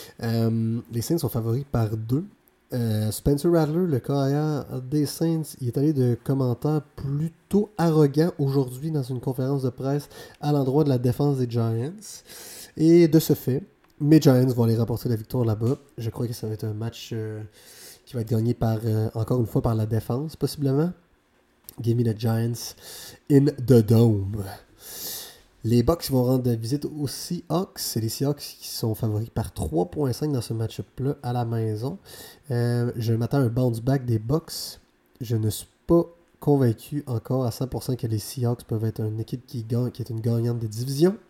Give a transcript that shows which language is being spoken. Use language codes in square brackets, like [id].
[fr] Les Saints sont favoris par 2. Spencer Rattler, le carrière des Saints, il est allé de commentaires plutôt arrogants aujourd'hui dans une conférence de presse à l'endroit de la défense des Giants. Et de ce fait... Mes Giants vont aller remporter la victoire là-bas. Je crois que ça va être un match qui va être gagné par encore une fois par la défense, possiblement. [en] Give me the Giants in the Dome. [fr] Les Bucks vont rendre visite aux Seahawks. C'est les Seahawks qui sont favoris par 3.5 dans ce match-up-là à la maison. Je m'attends à un bounce-back des Bucks. Je ne suis pas convaincu encore à 100% que les Seahawks peuvent être une équipe qui est une gagnante des divisions.